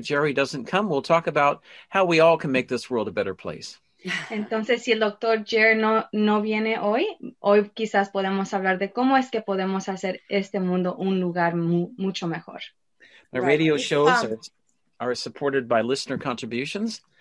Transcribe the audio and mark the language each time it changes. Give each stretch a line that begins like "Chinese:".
English: Jerry doesn't come, we'll talk about how we all can make this world a better place.
Spanish: Entonces, si el Dr. Jerry no viene hoy quizás podemos hablar de cómo es que podemos hacer este mundo un lugar mucho mejor.
English: My radio shows are supported by listener contributions.